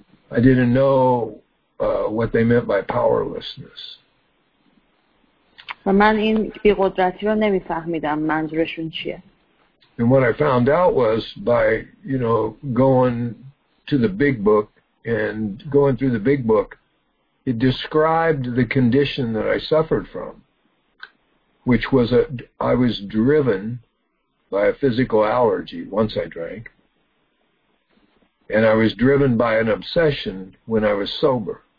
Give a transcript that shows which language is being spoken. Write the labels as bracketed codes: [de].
[en] I didn't know what they meant by powerlessness. [fa] و من این بی‌قدرتی رو نمیفهمیدم منظورشون چیه. [en] And what I found out was by, going to the big book and going through the big book, it described the condition that I suffered from, which was I was driven by a physical allergy once I drank, and I was driven by an obsession when I was sober.